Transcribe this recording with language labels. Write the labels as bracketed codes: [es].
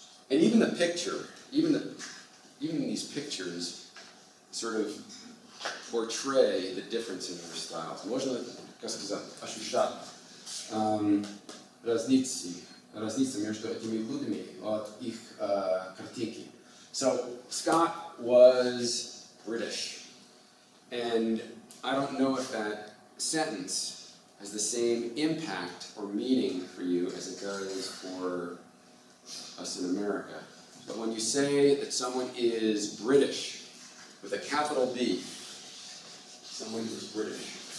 [en] And even the picture, even these pictures sort of portray the difference in their styles. [ru] Можно сказать, ощущать разницу между этими людьми от их картинки. [en] So Scott was British. And I don't know if that sentence has the same impact or meaning for you as it does for us in America. But when you say that someone is British, with a capital B, someone who's British.